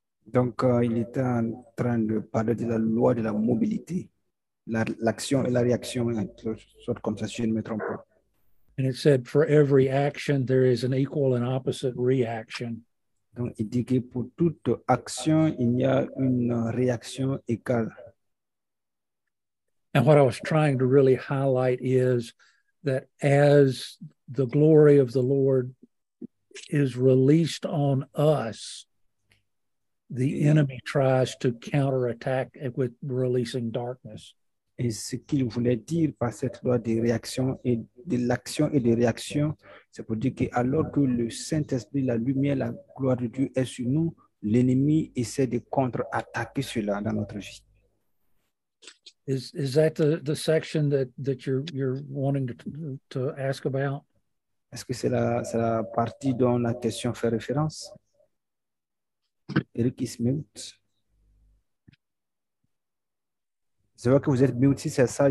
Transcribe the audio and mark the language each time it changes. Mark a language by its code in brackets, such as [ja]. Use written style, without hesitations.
[fr] Donc, il était en train de parler de la loi de la mobilité, l'action et la réaction, en quelque sorte, comme ça, si je ne me trompe pas. [en] And it said, for every action, there is an equal and opposite reaction. [fr] Donc, il dit que pour toute action, il y a une réaction égale. [en] And what I was trying to really highlight is that as the glory of the Lord is released on us, the enemy tries to counterattack with releasing darkness. [fr] Et ce qu'il voulait dire par cette loi de réaction et de l'action et des réactions, c'est pour dire que alors que le Saint-Esprit, la lumière, la gloire de Dieu est sur nous, l'ennemi essaie de contre-attaquer cela dans notre vie. [en] Is that the section that you're wanting to ask about? [fr] Est-ce que c'est la partie dont la question fait référence? [en] Eric is mute. [fr] C'est vrai que vous êtes mute, c'est ça.